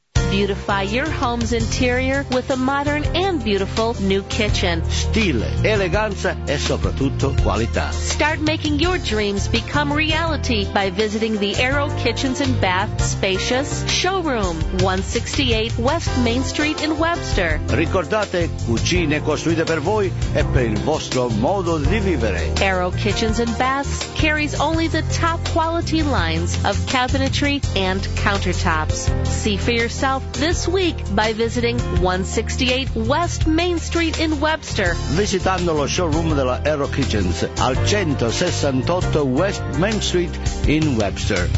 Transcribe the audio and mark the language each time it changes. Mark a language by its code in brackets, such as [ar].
[en] Beautify your home's interior with a modern and beautiful new kitchen. [it] Stile, eleganza e soprattutto qualità. [en] Start making your dreams become reality by visiting the Aero Kitchens and Bath spacious showroom, 168 West Main Street in Webster. [it] Ricordate, cucine costruite per voi e per il vostro modo di vivere. [en] Aero Kitchens and Baths carries only the top quality lines of cabinetry and countertops. See for yourself this week by visiting 168 West Main Street in Webster. [it] Visitando lo showroom della Aero Kitchens al 168 West Main Street in Webster.